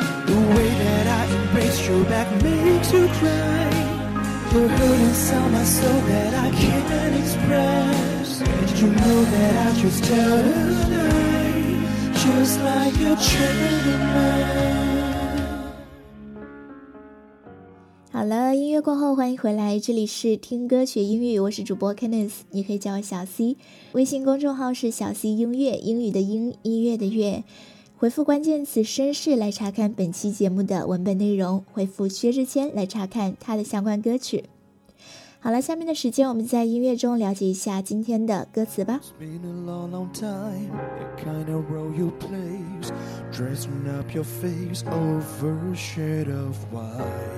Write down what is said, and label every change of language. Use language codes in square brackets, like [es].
[en] The way that I embrace your back makes you cry. The hurt inside my soul that I can't express. And you know that I just tell a lie, just like a gentleman. [zh] 好了，音乐过后欢迎回来，这里是听歌学英语，我是主播 Candice， 你可以叫我小 C， 微信公众号是小 C 音乐，英语的英，音乐的乐。回复关键词绅士来查看本期节目的文本内容，回复薛之谦来查看他的相关歌曲。好了，下面的时间我们在音乐中了解一下今天的歌词吧。 [en] It's been a long, long time, the kind of role you play, dressing up your face over a shade of white.